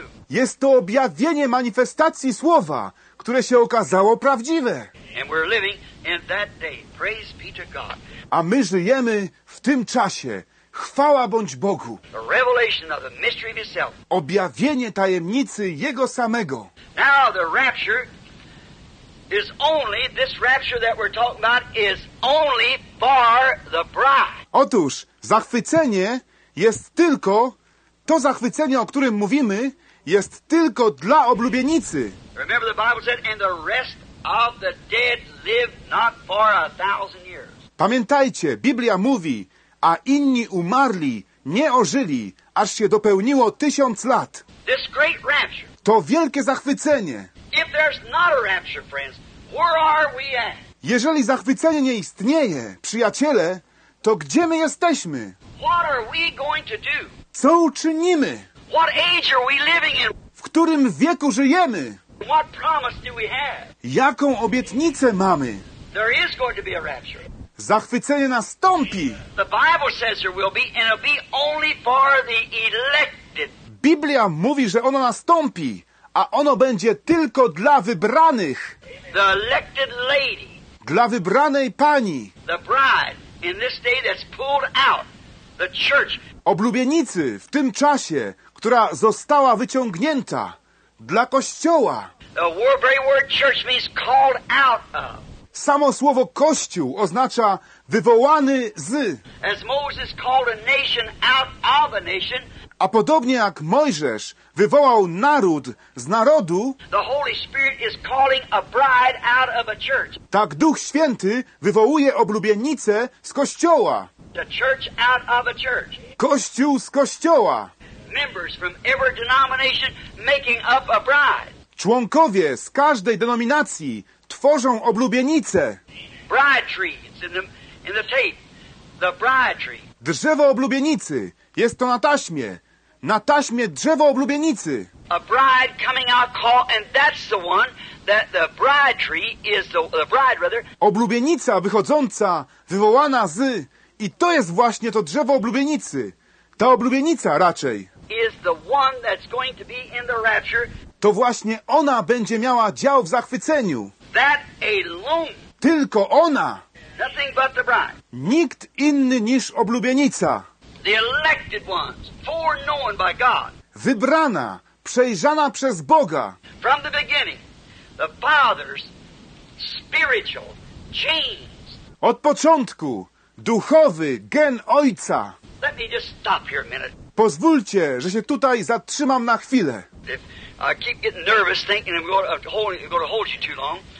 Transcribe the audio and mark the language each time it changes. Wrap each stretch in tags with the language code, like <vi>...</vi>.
<pl>Jest to objawienie manifestacji słowa, które się okazało prawdziwe.</pl> <en>And we're living in that day. Praise be to God.</en> <pl>A my żyjemy w tym czasie. Chwała bądź Bogu.</pl> <en>The revelation of the mystery of himself.</en> <pl>Objawienie tajemnicy Jego samego.</pl> <en>Now the rapture is only, this rapture that we're talking about is only for the bride.</en> <pl>Otóż, zachwycenie jest tylko, to zachwycenie, o którym mówimy, jest tylko dla oblubienicy.</pl> <en>Remember the Bible said, and the rest of the dead live not for a thousand years.</en> <pl>Pamiętajcie, Biblia mówi, a inni umarli, nie ożyli, aż się dopełniło 1000 lat.</pl> <en>This great rapture,</en> <pl>to wielkie zachwycenie.</pl> <en>If there's not a rapture, friends, where are we at?</en> <pl>Jeżeli zachwycenie nie istnieje, przyjaciele, to gdzie my jesteśmy?</pl> <en>What are we going to do?</en> <pl>Co uczynimy?</pl> <en>What age are we living in?</en> <pl>W którym wieku żyjemy?</pl> <en>What promise do we have?</en> <pl>Jaką obietnicę mamy?</pl> <en>There is going to be a rapture.</en> <pl>Zachwycenie nastąpi.</pl> <en>The Bible says there will be, and it'll be only for the elected.</en> <pl>Biblia mówi, że ono nastąpi, a ono będzie tylko dla wybranych.</pl> <en>The elected lady.</en> <pl>Dla wybranej pani.</pl> <en>The bride in this day that's pulled out. The church.</en> <pl>Oblubienicy w tym czasie, która została wyciągnięta dla Kościoła.</pl> <en>The very word church means called out of.</en> <pl>Samo słowo Kościół oznacza wywołany z.</pl> <en>As Moses called a nation out of a nation,</en> <pl>a podobnie jak Mojżesz wywołał naród z narodu,</pl> <en>the Holy Spirit is calling a bride out of a church.</en> <pl>Tak Duch Święty wywołuje oblubienicę z Kościoła.</pl> <en>The church out of a church.</en> <pl>Kościół z Kościoła.</pl> <en>Members from every denomination making up a bride.</en> <pl>Członkowie z każdej denominacji tworzą oblubienicę.</pl> <en>Bride tree, it's in the tape. The bride tree.</en> <pl>Drzewo oblubienicy. Jest to na taśmie. Na taśmie drzewo oblubienicy.</pl> <en>A bride coming out call, and that's the one that the bride tree is the bride rather.</en> <pl>Oblubienica wychodząca, wywołana z. I to jest właśnie to drzewo oblubienicy. Ta oblubienica raczej.</pl> <en>Is the one that's going to be in the rapture.</en> <pl>To właśnie ona będzie miała dział w zachwyceniu.</pl> <en>That alone.</en> <pl>Tylko ona.</pl> <en>Nothing but the bride.</en> <pl>Nikt inny niż oblubienica.</pl> <en>The elected ones, foreknown by God.</en> <pl>Wybrana, przejrzana przez Boga.</pl> <en>From the beginning, the father's spiritual genes.</en> <pl>Od początku, duchowy gen ojca.</pl> <en>Let me just stop here a minute.</en> <pl>Pozwólcie, że się tutaj zatrzymam na chwilę.</pl> <en>I keep getting nervous thinking I'm going to hold you too long.</en>